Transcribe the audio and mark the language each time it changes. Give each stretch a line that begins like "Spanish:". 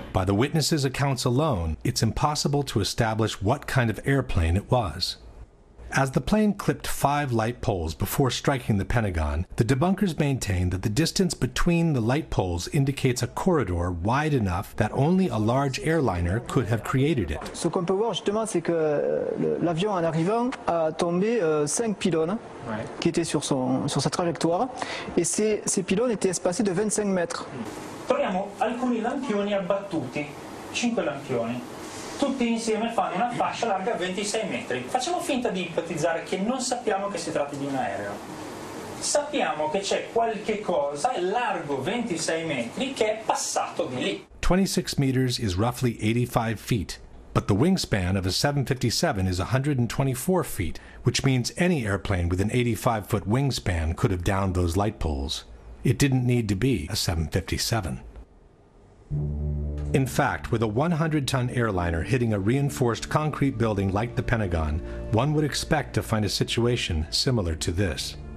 English: By the witnesses' accounts alone, it's impossible to establish what kind of airplane it was. As the plane clipped five light poles before striking the Pentagon, the debunkers maintain that the distance between the light poles indicates a corridor wide enough that only a large airliner could have created it.
French: Ce qu'on peut voir justement, c'est que l'avion en arrivant a tombé cinq pylônes qui étaient sur son sur sa trajectoire, et ces pylônes étaient espacés de 25 mètres.
Italian: Troviamo alcuni lampioni abbattuti. 5 lampioni, tutti insieme fanno una fascia larga 26 metri. Facciamo finta di ipotizzare che non sappiamo che si tratti di un aereo. Sappiamo che c'è qualche cosa largo 26 metri che è passato di lì.
English: 26 meters is roughly 85 feet. But the wingspan of a 757 is 124 feet, which means any airplane with an 85-foot wingspan could have downed those light poles. It didn't need to be a 757. In fact, with a 100-ton airliner hitting a reinforced concrete building like the Pentagon, one would expect to find a situation similar to this.